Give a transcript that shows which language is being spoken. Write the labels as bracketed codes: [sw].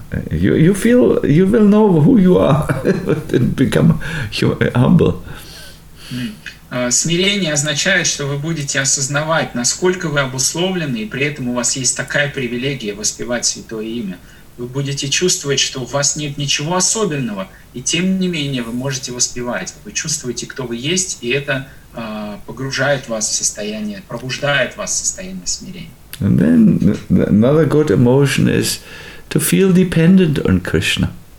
[en] You feel you will know who you are and become humble. [ru] Смирение означает, что вы будете осознавать, насколько вы обусловлены, и при этом у вас есть такая привилегия воспевать святое имя. Вы будете чувствовать, что у вас нет ничего особенного, и тем не менее вы можете воспевать. Вы чувствуете, кто вы есть, и это погружает вас в состояние, пробуждает вас в состояние смирения. [en] And then another good emotion is to feel dependent on Krishna.